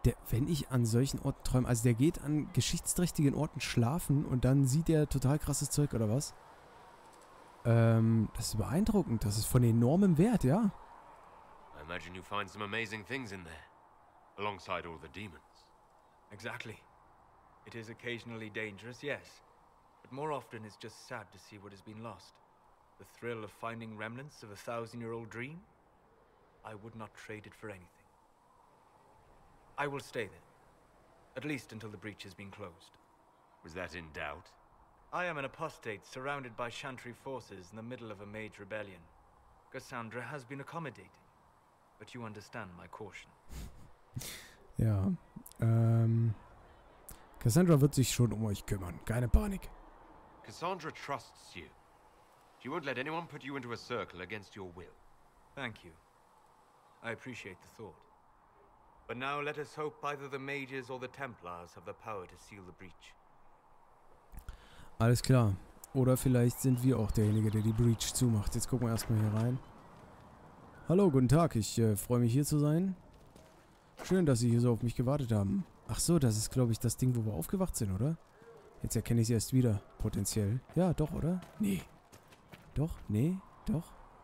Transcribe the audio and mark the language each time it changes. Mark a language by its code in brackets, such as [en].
[de] Wenn ich an solchen Orten träume, also der geht an geschichtsträchtigen Orten schlafen und dann sieht er total krasses Zeug, oder was? Das ist beeindruckend, das ist von enormem Wert, ja. [en] I imagine you find some amazing things in there, alongside all the demons. Exactly. It is occasionally dangerous, yes. But more often it's just sad to see what has been lost. The thrill of finding remnants of a thousand-year-old dream? I would not trade it for anything. I will stay there. At least until the breach has been closed. Was that in doubt? I am an apostate surrounded by Chantry forces in the middle of a mage rebellion. Cassandra has been accommodating. But you understand my caution. [de] Ja. Cassandra wird sich schon um euch kümmern. Keine Panik. [en] Cassandra trusts you. She won't let anyone put you into a circle against your will. Thank you. I appreciate the thought. But now let us hope either the mages or the Templars have the power to seal the breach. [de] Alles klar. Oder vielleicht sind wir auch derjenige, der die Breach zumacht. Jetzt gucken wir erstmal hier rein. Hallo, guten Tag. Ich freue mich hier zu sein. Schön, dass Sie hier so auf mich gewartet haben. Ach so, das ist glaube ich das Ding, wo wir aufgewacht sind, oder? Jetzt erkenne ich sie erst wieder, potenziell. Ja, doch, oder? Nee. Doch? Nee? Doch?